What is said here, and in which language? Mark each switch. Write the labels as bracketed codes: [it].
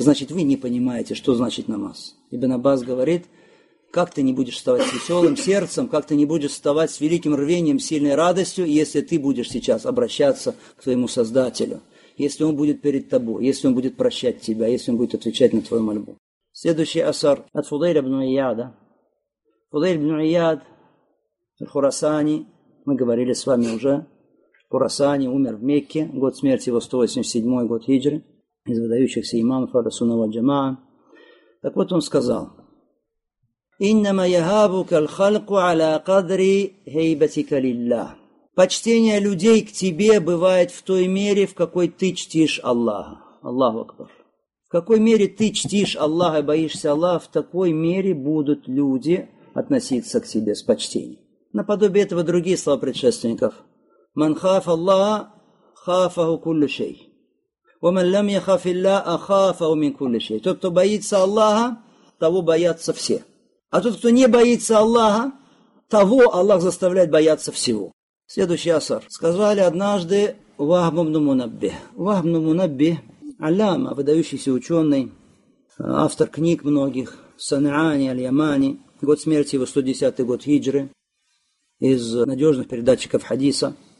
[ru] Значит, вы не понимаете, что значит намаз. Ибн Аббас говорит: как ты не будешь вставать с веселым сердцем, как ты не будешь вставать с великим рвением, сильной радостью, если ты будешь сейчас обращаться к твоему Создателю, если Он будет перед тобой, если Он будет прощать тебя, если Он будет отвечать на твою мольбу. Следующий асар от Фудейля ибн Ияда. Фудейль ибн Ияд, Хурасани, мы говорили с вами уже, Хурасани умер в Мекке, год смерти его 187 год хиджры, из выдающихся имамов Ахлиссунна Джамаа. Так вот он сказал: [ar] إنما يهابك الخلق على قدر هيبتك لله. [ru] Почтение людей к тебе бывает в той мере, в какой ты чтишь Аллаха. Аллаху Акбар. В какой мере ты чтишь Аллаха и боишься Аллаха, в такой мере будут люди относиться к тебе с почтением. Наподобие этого другие слова предшественников: [ar] من خاف الله خافه كل شيء. ومن لم يخاف الله أخافه من كل شيء. [ru] Тот, кто боится Аллаха, того боятся все. А тот, кто не боится Аллаха, того Аллах заставляет бояться всего. Следующий асар. Сказали однажды Вахб ибн Мунабби. Вахб ибн Мунабби, аллама, выдающийся ученый, автор книг многих, Санаани аль-Ямани, год смерти его 110-й год хиджры, из надежных передатчиков хадиса.